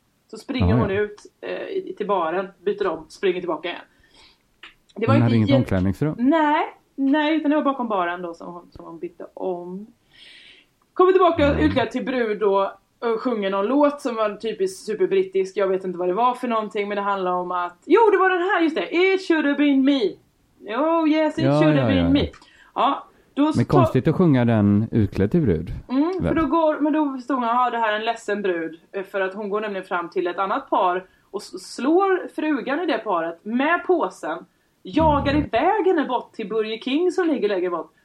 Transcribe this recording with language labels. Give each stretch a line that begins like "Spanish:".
Swedish: Så springer hon ut till baren, byter om, springer tillbaka igen. Det var hon inte hade inget omklädningsrum? Nej, Nej, utan det var bakom baren då som hon bytte om. Kommer tillbaka utklädd till brud då. Och sjunger någon låt som var typiskt superbrittisk. Jag vet inte vad det var för någonting. Men det handlar om att... Jo, det var den här, just det.
English: It should have been me. Oh yes, it should have been me.
Swedish: Ja, då men konstigt att sjunga den utklädd till brud. Mm, för då går, men då förstår man, ja, det här är en ledsen brud. För att hon går nämligen fram till ett annat par. Och slår frugan i det paret med påsen. Jagar iväg henne bort till Burger King som ligger lägre bort.